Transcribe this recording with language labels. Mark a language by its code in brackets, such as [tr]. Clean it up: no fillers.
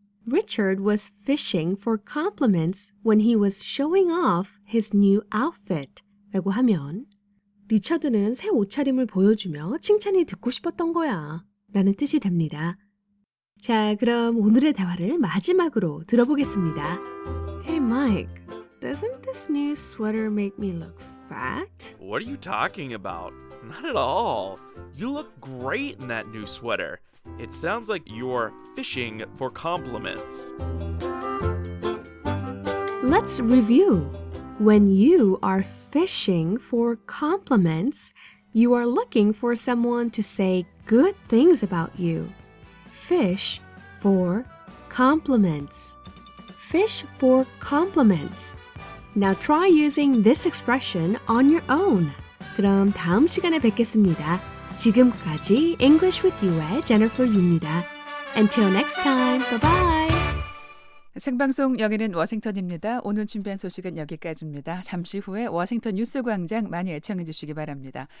[en] Richard was fishing for compliments when he was showing off his new outfit. [ko] 라고 하면 리처드는 새 옷차림을 보여주며 칭찬이 듣고 싶었던 거야. 라는 뜻이 됩니다. 자, 그럼 오늘의 대화를 마지막으로 들어보겠습니다. [en] Hey Mike, doesn't this new sweater make me look fat? What are you talking about? Not at all. You look great in that new sweater. It sounds like you're fishing for compliments. Let's review. When you are fishing for compliments, you are looking for someone to say good things about you. Fish for compliments. Fish for compliments. Now try using this expression on your own. [ko] 그럼 다음 시간에 뵙겠습니다. 지금까지 English with You의 Jennifer Yu입니다. [en] Until next time, bye-bye. [ko] 생방송 여기는 워싱턴입니다. 오늘 준비한 소식은 여기까지입니다. 잠시 후에 워싱턴 뉴스 광장 많이 애청해 주시기 바랍니다.